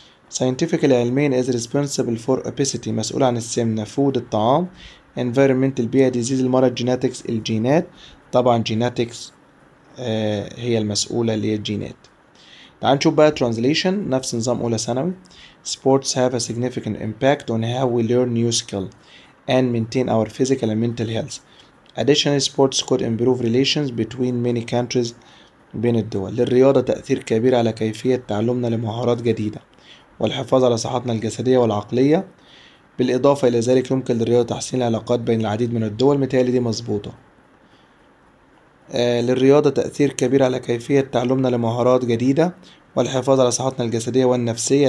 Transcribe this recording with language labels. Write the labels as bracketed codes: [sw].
[en] Scientifically [ar] علمين [en] is responsible for obesity [ar] مسؤول عن السمنة [en] food [ar] الطعام [en] environment [ar] البيئة [en] disease [ar] المرض [en] genetics [ar] الجينات طبعا genetics هي المسؤولة اللي هي الجينات. تعال نشوف بقى translation نفس نظام أولى ثانوي. [en] Sports have a significant impact on how we learn new skills and maintain our physical and mental health. Additionally, sports could improve relations between many countries [ar] بين الدول. للرياضة تأثير كبير على كيفية تعلمنا لمهارات جديدة والحفاظ على صحتنا الجسدية والعقلية. بالإضافة إلى ذلك يمكن للرياضة تحسين العلاقات بين العديد من الدول. متهيألي دي مظبوطة. للرياضة تأثير كبير على كيفية تعلمنا لمهارات جديدة والحفاظ على صحتنا الجسدية والنفسية.